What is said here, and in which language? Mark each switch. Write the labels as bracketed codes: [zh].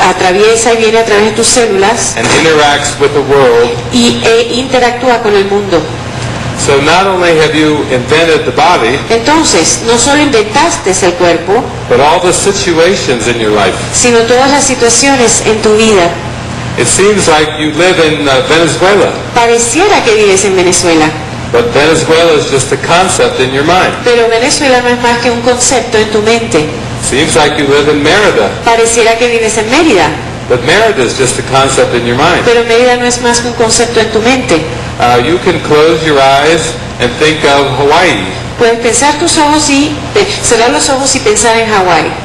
[es] atraviesa y viene a través de tus células, [en] and interacts with the world, [es] e interactúa con el mundo. [en] So not only have you invented the body, [es] entonces, no solo inventaste el cuerpo, [en] but all the situations in your life. [es] Sino todas las situaciones en tu vida. [en] It seems like you live in Venezuela. [es] Pareciera que vives en Venezuela. [en] But Venezuela is just a concept in your mind. [es] Pero Venezuela no es más que un concepto en tu mente. [en] Seems like you live in Merida. [es] Pareciera que vives en Mérida. [en] But Merida is just a concept in your mind. [es] Pero Mérida no es más que un concepto en tu mente. [en] You can close your eyes and think of Hawaii. [es] Puedes pensar tus ojos y cerrar los ojos y pensar en Hawaii.